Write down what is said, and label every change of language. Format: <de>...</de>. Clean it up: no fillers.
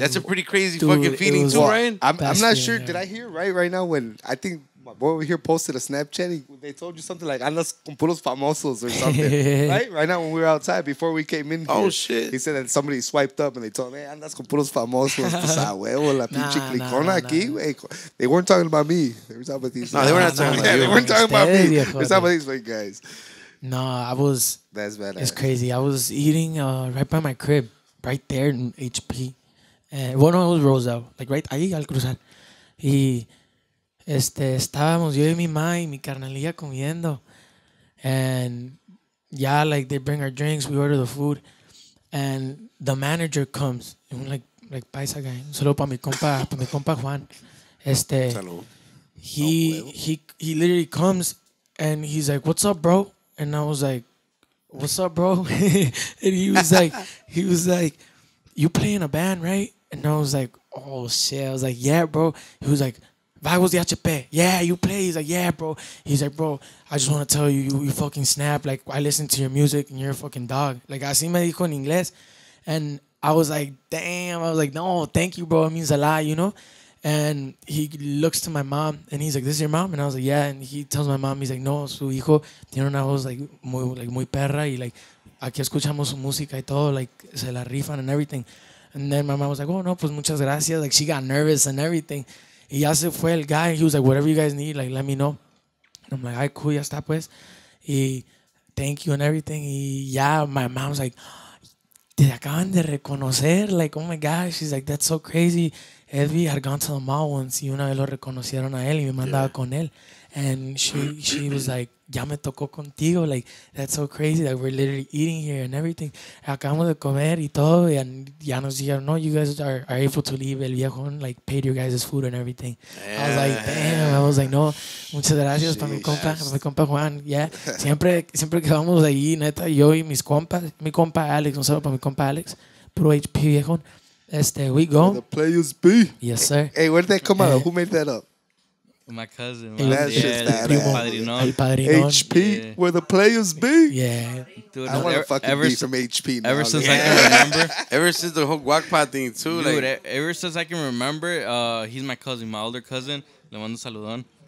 <en>That's a pretty crazy fucking feeling too, Ryan. I'm not sure. Yeah. Did I hear right now when I think... My boy over here posted a Snapchat. They told you something like,</en> <es>andas con puros famosos</es> <en>or something. right now when we were outside, before we came in here. Oh, shit. He said that somebody swiped up and they told him, hey,</en> <es>andas con puros famosos. Pues a huevo, la pinche clicona aquí, güey.</es> <en>They weren't talking about me. They were talking about these. No, they were not talking about you. They weren't talking about me. They were talking about these white guys. No, I was. That's bad. It's crazy. I was eating right by my crib, right there in HP. Well, no, it was Roselle. Like, right</en> <es>ahí al cruzar. Estábamos yo y mi ma y mi carnalilla comiendo.</es> <en>And yeah, like they bring our drinks, we order the food. And the manager comes, and we're like paisa guy.</en> <es>Solo para mi compa, para mi compa Juan.</es> <en>He literally comes and he's like, "What's up, bro?" And I was like, "What's up, bro?" And he was like, "You play in a band, right?" And I was like, "Oh shit." I was like, "Yeah, bro." He was like, "Vagos de HP." "Yeah, you play." He's like, "Yeah, bro." He's like, "Bro, I just want to tell you, you fucking snap. Like, I listen to your music and you're a fucking dog." Like,</en> <es>así me dijo en inglés.</es> <en>And I was like, damn. I was like, "No, thank you, bro. It means a lot, you know?" And he looks to my mom and he's like, "This is your mom?" And I was like, "Yeah." And he tells my mom, he's like,</en> <es>"No, su hijo tiene una voz</es> <en>like</en> <es>muy perra. Y like, aquí escuchamos su música y todo.</es> <en>Like,</en> <es>se la rifan</es> <en>and everything." And then my mom was like, "Oh, no,</en> <es>pues muchas gracias."</es> <en>Like, she got nervous and everything.</en> <es>Y ya se fue el</es> <en>guy. He was like, "Whatever you guys need, like, let me know." And I'm like, "Ay, cool,</en> <es>ya está, pues."</es> <en>Y thank you and everything. Y ya, my mom's like,</en> <es>"Te acaban de reconocer."</es> <en>Like, oh, my gosh. She's like, "That's so crazy. Edwin had gone to the mall once.</en> <es>Y una vez lo reconocieron a él y me mandaba con él."</es> <en>And she was like,</en> <es>"Ya me tocó contigo."</es> <en>Like, "That's so crazy that we're literally eating here and everything."</en> <es>Acabamos de comer y todo.</es> <en>And</en> <es>ya nos dijeron,</es> <en>"No, you guys are able to leave.</en> <es>El viejo,</es> <en>like, paid your guys' food and everything." Yeah. I was like, damn. I was like,</en> <es>"No, muchas gracias para mi compa Juan."</es> <en>Yeah.</en> <es>Siempre que vamos ahí, neta, yo y mis compas, mi compa Alex, un saludo para mi compa Alex, puro HP viejo.</es> <en>We go. The players be. Yes, sir. Hey, where'd that come out? Who made that up? My cousin, my padrino. HP, yeah. Where the players be. Yeah. Dude, I want to fucking be from HP now. Ever since I can remember. Ever since the whole guacpa thing, too. Dude, like, ever since I can remember, he's my cousin, my older cousin.</en> <es>Le mando saludón.</es>